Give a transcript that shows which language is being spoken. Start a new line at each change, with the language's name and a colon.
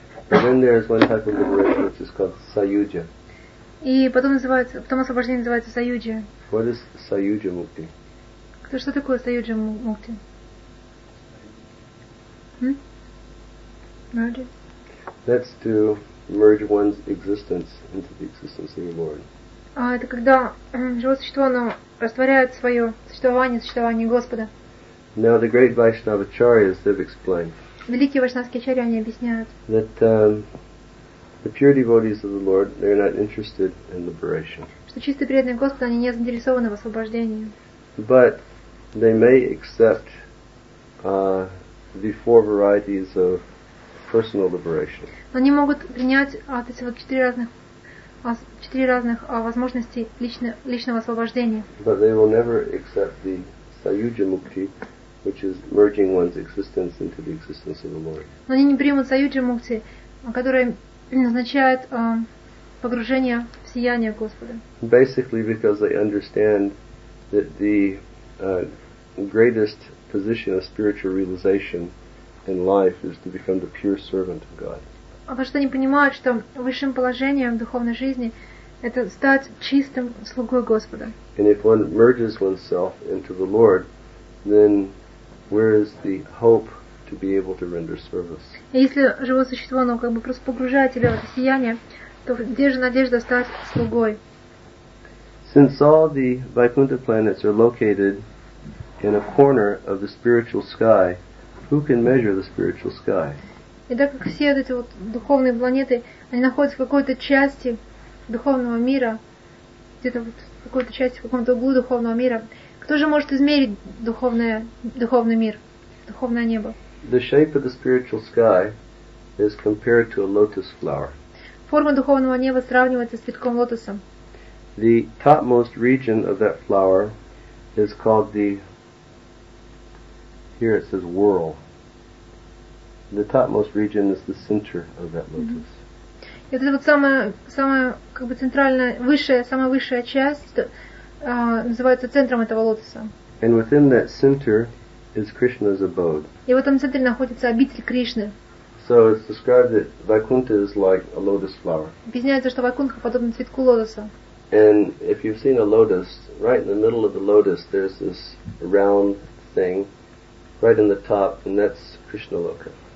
English: And then there is one type of liberation which is called Sayujya.
Russian: И потом называется, потом освобождение называется Sayujya.
English: What is Sayujya Mukti?
Russian: Кто, что такое Sayujya Mukti?
English: Merge. That's to merge one's existence into the existence of the Lord.
Russian: Это когда живое существо, оно растворяет свое существование в существовании Господа.
English: Now the great Vaishnavacharyas, they've explained.
Russian: Великие вайшнавские ачарьи, они объясняют,
English: that the pure devotees of the Lord, they're not interested in liberation.
Russian: Что чистые преданные Господа, они не заинтересованы в освобождении.
English: But they may accept the four varieties of personal liberation.
Russian: Но они могут принять эти вот четыре разных возможности личного освобождения.
English: But they will never accept the Sayujya Mukti, which is merging one's existence into the existence of the Lord.
Russian: Но они не примут Саюджа Мукти, которая означает погружение в сияние Господа.
English: Basically, because they understand that the greatest position of spiritual realization in life is to become the pure servant of God.
Russian: А потому что они понимают, что высшим положением в духовной жизни это стать чистым слугой Господа.
English: And if one merges oneself into the Lord, then where is the hope to be able to render service?
Russian: Если живое существо, оно как бы просто погружает тебя в сияние, то где же надежда стать слугой?
English: Since all the Vaikuntha planets are located in a corner of the spiritual sky, who can measure the spiritual sky?
Russian: И так как все вот эти вот духовные планеты, они находятся в какой-то части духовного мира, где-то вот в какой-то части, в каком-то углу духовного мира, кто же может измерить духовный мир, духовное небо?
English: The shape of the spiritual sky is compared to a lotus flower.
Russian: Форма духовного неба сравнивается с цветком лотоса.
English: The topmost region of that flower is called the, here it says whorl. The topmost region is the center of that lotus.
Russian: Это вот самая как бы центральная, высшая, самая высшая часть называется центром этого лотоса.
English: And within that center is Krishna's abode.
Russian: И в этом центре находится обитель Кришны.
English: So it's described that Vaikuntha is like a lotus flower.
Russian: Объясняется, что Вайкунха подобна цветку лотоса.
English: And if you've seen a lotus, right in the middle of the lotus, there's this round thing right in the top, and that's Krishna Loka.